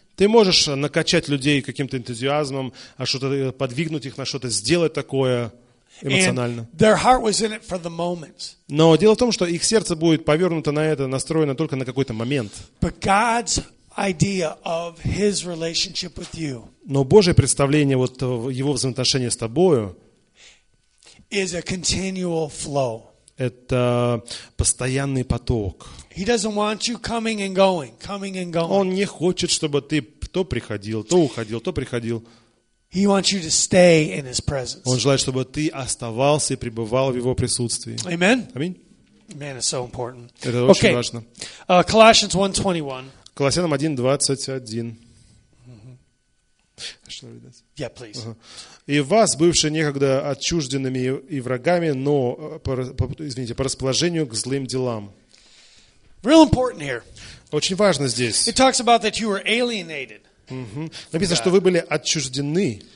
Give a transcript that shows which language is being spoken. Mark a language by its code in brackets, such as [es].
[ru] Ты можешь накачать людей каким-то энтузиазмом, а что-то подвигнуть их на что-то сделать такое. Эмоционально. [en] And their heart was in it for the moment. [ru] Но дело в том, что их сердце будет повернуто на это, настроено только на какой-то момент. [en] But God's idea of His relationship with you. [ru] Но Божье представление вот его взаимоотношения с тобою. [en] Is a continual flow. [ru] Это постоянный поток. [en] He doesn't want you coming and going, coming and going. [ru] Он не хочет, чтобы ты то приходил, то уходил, то приходил. [en] He wants you to stay in His presence. [ru] Он желает, чтобы ты оставался и пребывал в Его присутствии. [en] Amen. [ru] Аминь. [en] Man, it's so important. [ru] Это okay. Очень важно. [en] Colossians 1:21. [ru] Колоссянам 1:21. [en] Yeah, please. [ru] И вас, бывшие некогда отчужденными и врагами, но извините, по расположению к злым делам. [en] Real important here. [ru] Очень важно здесь. [en] It talks about that you were alienated. [ru] Написано, что вы были отчуждены.